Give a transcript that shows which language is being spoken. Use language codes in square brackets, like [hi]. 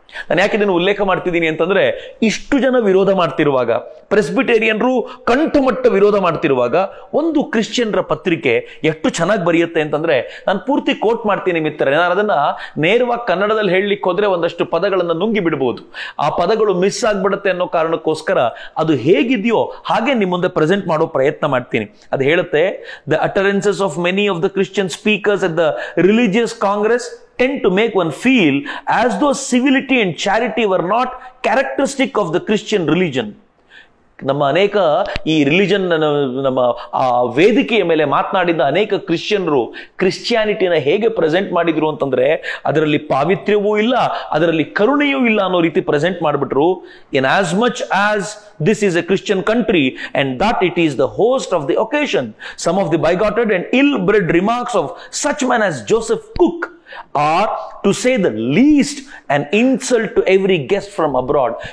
[kn] ನಾನು ಯಾಕೆ ಇದನ್ನು ಉಲ್ಲೇಖ ಮಾಡ್ತಿದ್ದೀನಿ ಅಂತಂದ್ರೆ, ಇಷ್ಟು ಜನ ವಿರೋಧ ಮಾಡ್ತಿರುವಾಗ, ಪ್ರೆಸ್ಬಿಟೇರಿಯನ್ರು ಕಂಠಮಟ್ಟ ವಿರೋಧ ಮಾಡ್ತಿರುವಾಗ, ಒಂದು ಕ್ರಿಶ್ಚಿಯನ್ರ ಪತ್ರಿಕೆ ಎಷ್ಟು ಚೆನ್ನಾಗಿ ಬರೆಯುತ್ತೆ ಅಂತಂದ್ರೆ, ನಾನು ಪೂರ್ತಿ ಕೋಟ್ ಮಾಡ್ತೀನಿ ಮಿತ್ರರೇ. ನಾನು ಅದನ್ನ ನೇರವಾಗಿ ಕನ್ನಡದಲ್ಲಿ ಹೇಳಲಿಕ್ಕೆ ಹೋದ್ರೆ ಒಂದಷ್ಟು ಪದಗಳನ್ನು ನುಂಗಿ ಬಿಡಬಹುದು, ಆ ಪದಗಳು ಮಿಸ್ ಆಗ್ಬಿಡುತ್ತೆ ಅನ್ನೋ ಕಾರಣಕ್ಕೋಸ್ಕರ ಅದು ಹೇಗಿದೆಯೋ ಹಾಗೆ ನಿಮ್ಮ ಮುಂದೆ ಪ್ರೆಸೆಂಟ್ ಮಾಡೋ ಪ್ರಯತ್ನ ಮಾಡ್ತೀನಿ. ಅದು ಹೇಳುತ್ತೆ, [en] The utterances of many of the Christian speakers at the religious congress tend to make one feel as though civility and charity were not characteristic of the Christian religion. [kn] ನಮ್ಮ ಅನೇಕ ಈ ರಿಲಿಜನ್ ನಮ್ಮ ಆ ವೇದಿಕೆಯ ಮೇಲೆ ಮಾತನಾಡಿದ್ದ ಅನೇಕ ಕ್ರಿಶ್ಚಿಯನ್ರು ಕ್ರಿಶ್ಚಿಯಾನಿಟಿನ ಹೇಗೆ ಪ್ರೆಸೆಂಟ್ ಮಾಡಿದ್ರು ಅಂತಂದ್ರೆ, ಅದರಲ್ಲಿ ಪಾವಿತ್ರ್ಯವೂ ಇಲ್ಲ, ಅದರಲ್ಲಿ ಕರುಣೆಯೂ ಇಲ್ಲ ಅನ್ನೋ ರೀತಿ ಪ್ರೆಸೆಂಟ್ ಮಾಡಿಬಿಟ್ರು. [en] In as much as this is a Christian country and that it is the host of the occasion, some of the bigoted and ill bred remarks of such man as Joseph Cook are, to say the least, an insult to every guest from abroad.